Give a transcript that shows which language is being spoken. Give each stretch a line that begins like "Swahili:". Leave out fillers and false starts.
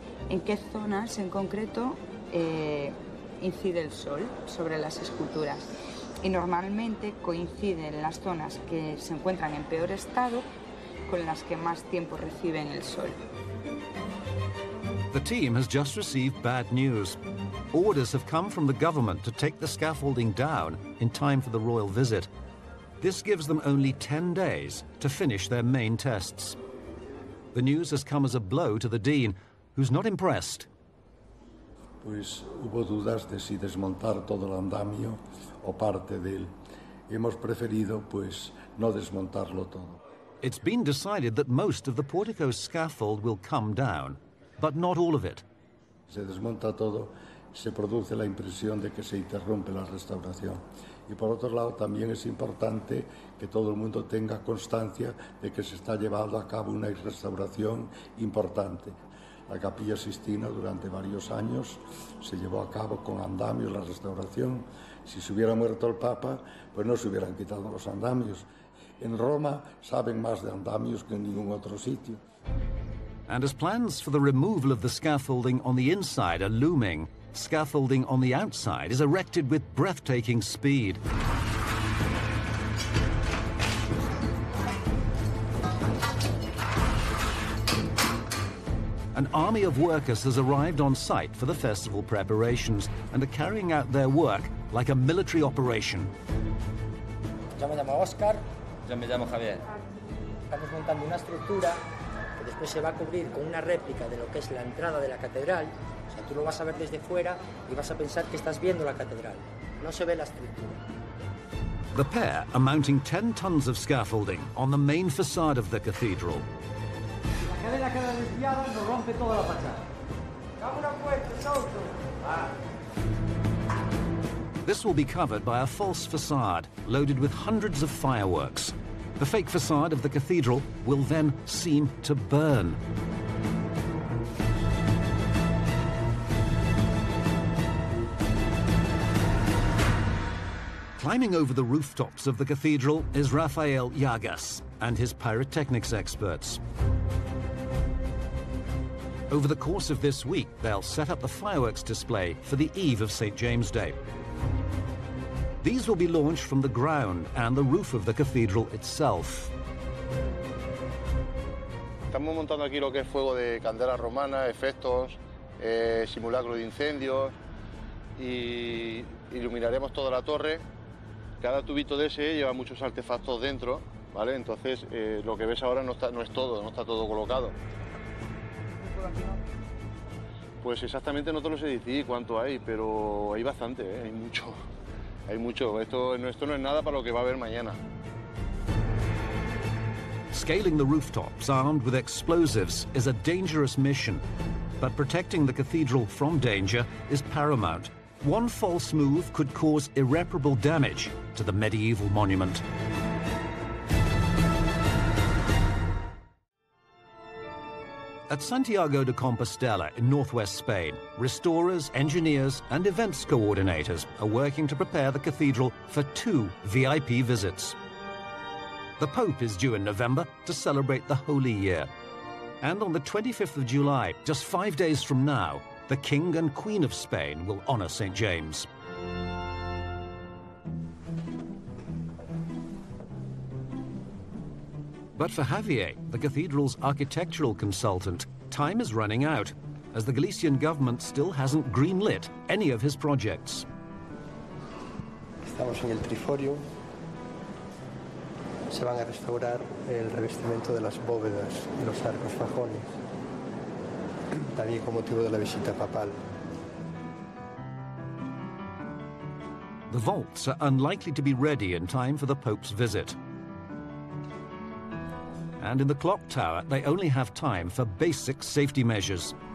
Spanish: ¿En qué zonas, en concreto, incide el sol sobre las esculturas? Y normalmente coincide en las zonas que se encuentran en peor estado con las que más tiempo reciben el sol.
English: The team has just received bad news. Orders have come from the government to take the scaffolding down in time for the royal visit. This gives them only 10 days to finish their main tests. The news has come as a blow to the dean, who's not impressed.
Spanish: Pues hubo dudas de si desmontar todo el andamio o parte de él. Hemos preferido pues no desmontarlo todo.
English: It's been decided that most of the portico scaffold will come down. But not all of it.
Spanish: Se desmonta todo, se produce la impresión de que se interrumpe la restauración. Y por otro lado, también es importante que todo el mundo tenga constancia de que se está llevando a cabo una restauración importante. La Capilla Sixtina durante varios años se llevó a cabo con andamios la restauración. Si se hubiera muerto el Papa, pues no se hubieran quitado los andamios. En Roma saben más de andamios que en ningún otro sitio.
English: And as plans for the removal of the scaffolding on the inside are looming, scaffolding on the outside is erected with breathtaking speed. An army of workers has arrived on site for the festival preparations and are carrying out their work like a military operation.
Spanish: Yo me llamo Oscar. Yo me llamo Javier. Estamos montando una estructura. Después se va a cubrir con una réplica de lo que es la entrada de la catedral. O sea, tú lo vas a ver desde fuera y vas a pensar que estás viendo la catedral. No se ve la estructura.
English: The pair are mounting 10 tons of scaffolding on the main facade of the cathedral.
Spanish: La cadena queda desviada y nos rompe toda la fachada. ¡Dame una puerta, salto! Ah.
English: This will be covered by a false facade loaded with hundreds of fireworks. The fake facade of the cathedral will then seem to burn. Climbing over the rooftops of the cathedral is Rafael Yagas and his pyrotechnics experts. Over the course of this week, they'll set up the fireworks display for the eve of St. James Day. These will be launched from the ground and the roof of the cathedral itself.
Spanish: Estamos montando aquí lo que es fuego de candela romana, efectos, simulacro de incendios y iluminaremos toda la torre Cada tubito de ese lleva muchos artefactos dentro, ¿vale? Entonces, lo que ves ahora no está todo colocado. Pues exactamente no te lo sé decir cuánto hay, pero hay bastante, ¿eh? Hay mucho. Esto no es nada para lo que va a haber mañana.
English: Scaling the rooftops armed with explosives is a dangerous mission, but protecting the cathedral from danger is paramount. One false move could cause irreparable damage to the medieval monument. At Santiago de Compostela in northwest Spain, restorers, engineers, and events coordinators are working to prepare the cathedral for two VIP visits. The Pope is due in November to celebrate the Holy Year. And on the 25th of July, just 5 days from now, the King and Queen of Spain will honor St. James. But for Javier, the cathedral's architectural consultant, time is running out, as the Galician government still hasn't greenlit any of his projects.
Spanish: Estamos en el triforio. Se van a restaurar el revestimiento de las bóvedas y los arcos fajones, también con motivo de la visita papal.
English: The vaults are unlikely to be ready in time for the Pope's visit. And in the clock tower, they only have time for basic safety measures.